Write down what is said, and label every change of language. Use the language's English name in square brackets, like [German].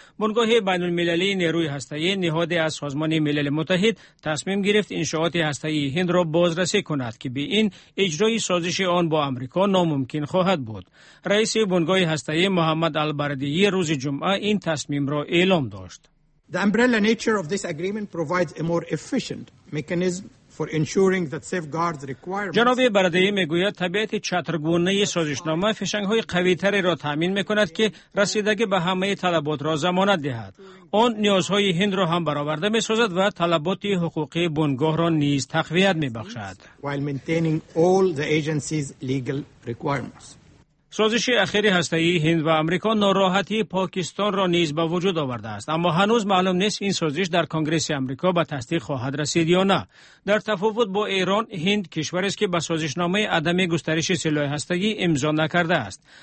[Persian] بنگاه بین المللی نیروی هسته‌ای، نهادی از سازمان ملل متحد، تصمیم گرفت انشاءات هسته‌ای هند را بازرسی کند که به این اجرای سازش آن با آمریکا ناممکن خواهد بود. رئیس بنگاه هسته‌ای محمد البردیه روز جمعه این تصمیم را اعلام داشت. [English] The umbrella nature of this agreement provides a more efficient mechanism for ensuring that safeguards requirements. [Persian] جناب برادری میگوید طبیعت چترگونه سازشنامه فشنگ‌های قوی‌تری را تامین می‌کند که رسیدگی به همه طلبات را ضمانت دهد. آن نیازهای هند را هم برآورده می‌سازد و طلبات حقوقی بنگاه را نیز تقویت می‌بخشد. [English] While maintaining all the agency's legal requirements. [Persian] سازش اخیر هسته‌ای هند و آمریکا ناراحتی پاکستان را نیز به وجود آورده است، اما هنوز معلوم نیست این سازش در کنگره آمریکا به تصدیق خواهد رسید یا نه. در تفاوت با ایران، هند کشوری است که به سازشنامه عدم گسترش سلاح هسته‌ای امضا نکرده است.